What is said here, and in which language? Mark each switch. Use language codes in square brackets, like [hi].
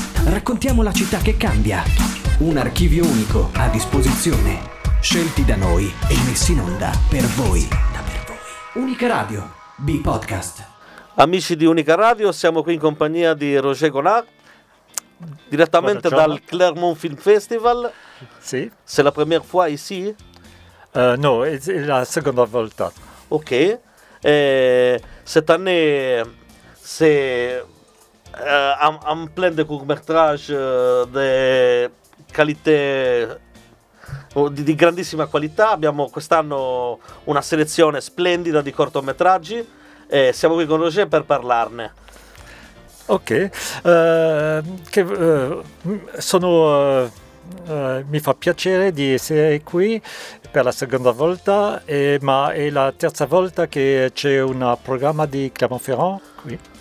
[it] Raccontiamo la città che cambia. Un archivio unico a disposizione. Scelti da noi e messi in onda per voi. Unica Radio, B-Podcast. Amici di Unica Radio, siamo qui in compagnia di Roger Gonard, direttamente dal Clermont Film Festival. Sì. [fr] C'est la première fois ici? [it] No, è la seconda volta. Ok. [fr] Cette année, c'est un plein de courts-métrages de qualité, [it] di grandissima qualità. Abbiamo quest'anno una selezione splendida di cortometraggi e siamo qui con Roger per parlarne. Ok, mi fa piacere di essere qui per la seconda volta, ma è la terza volta che c'è un programma di Clermont-Ferrand qui.